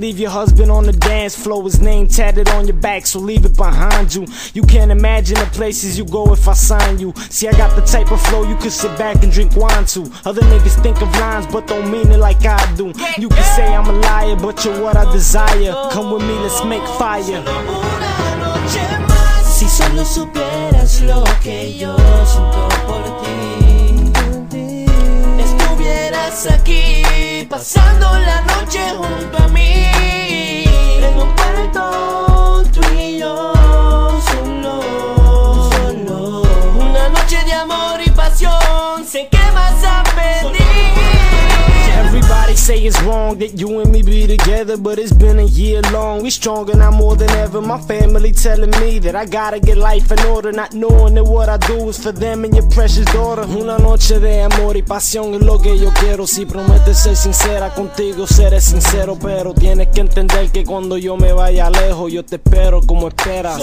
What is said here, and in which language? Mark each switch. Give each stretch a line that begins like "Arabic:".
English: Leave your husband on the dance floor. His name tatted on your back, so leave it behind you. You can't imagine the places you go if I sign you. See, I got the type of flow you could sit back and drink wine to. Other niggas think of lines, but don't mean it like I do. You can say I'm a liar, but you're what I desire. Come with me, let's make fire.
Spanish: Solo una noche más. Si solo supieras lo que yo siento por ti. Estuvieras aquí, pasando la noche junto a mí. En un cuarto, tú y yo, solo, solo. Una noche de amor y pasión, sé que vas a pedir.
English: Everybody say it's wrong that you and me be together, but it's been a year long. We stronger now more than ever. My family telling me that I gotta get life in order, not knowing that what I do is for them and your precious daughter.
Spanish: Una noche de amor y pasión es lo que yo quiero. Si prometes ser sincera contigo, seré sincero, pero tienes que entender que cuando yo me vaya lejos, yo te espero como esperas.